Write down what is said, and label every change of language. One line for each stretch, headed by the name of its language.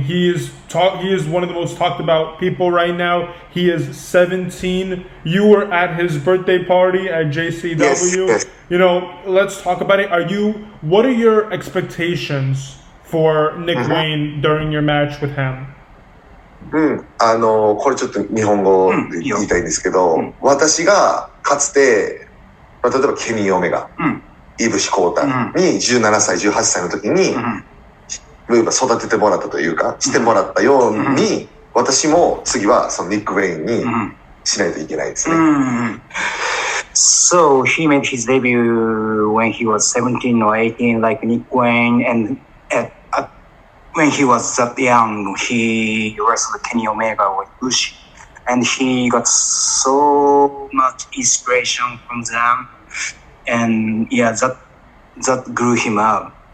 English: He is one of the most talked about people right now. He is 17. You were at his birthday party at JCW. Yes, yes. You know, let's talk about it. What are your expectations for Nick Wayne during your match with him?
Japanese: これちょっと日本語で言いたいんですけど、私がかつて、例えばケニー・オメガ、イブシ・コータに17歳、18歳の時に、例えば育ててもらったというか、してもらったように、私も次はそのニック・ウェインにしないといけないですね。
English: So, he made his debut when he was 17 or 18, like Nick Wayne, and when he was that young, he wrestled Kenny Omega with Bushi, and he got so much inspiration from them, and yeah, that grew him up.